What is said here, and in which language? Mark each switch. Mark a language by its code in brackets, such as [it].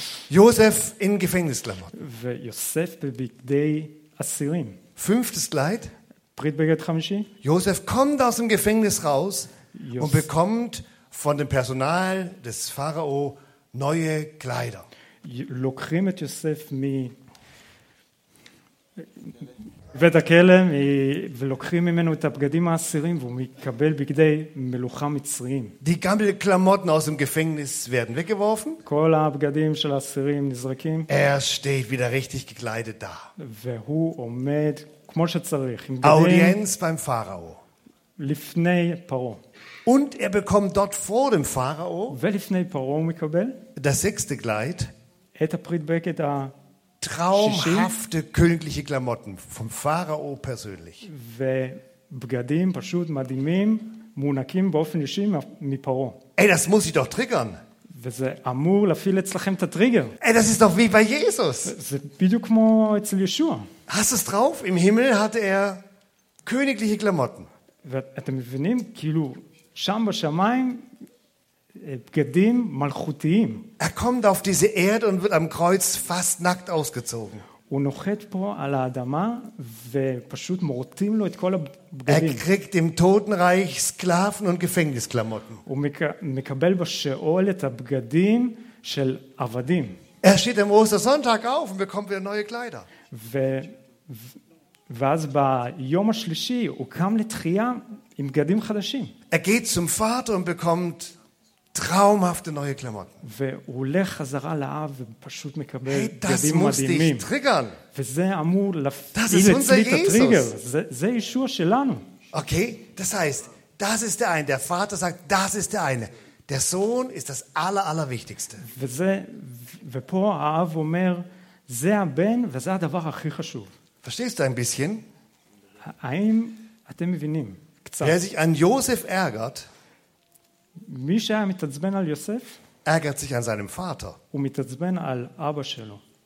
[de] יוסף in Gefängnisklamotten. [he] ויוסף בבגדי אסירים. [de] Fünftes Kleid. [he] פריט בגד חמישי. [de] יוסף kommt aus dem Gefängnis raus und bekommt von dem Personal des Pharao neue Kleider. [he] לוקחים את יוסף בית הכלא, ולוקחים ממנו את הבגדים האסירים, והוא מקבל בגדי מלוכה מצריים. [de] Die ganzen Klamotten aus dem Gefängnis werden weggeworfen. [he] כל הבגדים של האסירים נזרקים. [de] Er steht wieder richtig gekleidet da. [he] והוא עומד כמו שצריך. [de] Audienz beim Pharao. [he] לפני פרעה. [de] Und er bekommt dort vor dem Pharao. [he] ולפני פרעה הוא מקבל. [de] Das sechste Kleid. [he] את הפריט בגד ה... [de] traumhafte königliche Klamotten vom Pharao persönlich. [he] ובגדים פשוט מדהימים, מונקים באופן אישי מפרעה. [de] Ey, das muss ich doch triggern. [he] וזה אמור להפעיל אצלכם את הטריגר. [de] Ey, das ist doch wie bei Jesus. [he] זה בדיוק כמו אצל ישוע. [de] Hast du es drauf? Im Himmel hat er königliche Klamotten. [he] ואתם מבינים, כאילו, שם בשמיים... בגדים מלכותיים. [de] Er kommt auf diese Erde und wird am Kreuz fast nackt ausgezogen. [he] הוא נוחת פה על האדמה ופשוט מורטים לו את כל הבגדים. [de] Er kriegt im Totenreich Sklaven und Gefängnisklamotten. [he] הוא מקבל בשאול את הבגדים של עבדים. [de] Er steht am Ostersonntag auf und bekommt wieder neue Kleider. [he] ואז ביום השלישי הוא קם לתחייה עם בגדים חדשים. [de] Er geht zum Vater und bekommt traumhafte neue Klamotten. [he] והולך חזרה לאב ופשוט מקבל גדים מדהימים. [de] Das muss dich triggern. [he] וזה אמור להפעיל אצלי את הטריגר. זה ישוע שלנו. [de] Okay, das heißt, das ist der eine. Der Vater sagt, das ist der eine. Der Sohn ist das allerwichtigste. [he] ופה האב אומר, זה הבן וזה הדבר הכי חשוב. [de] Verstehst du ein bisschen? [he] האם אתם מבינים? קצת. [de] Wer sich an Josef ärgert, [he] מי שהיה מתעצבן על יוסף? [de] ärgert sich an seinem Vater. [he] הוא מתעצבן על אבא שלו.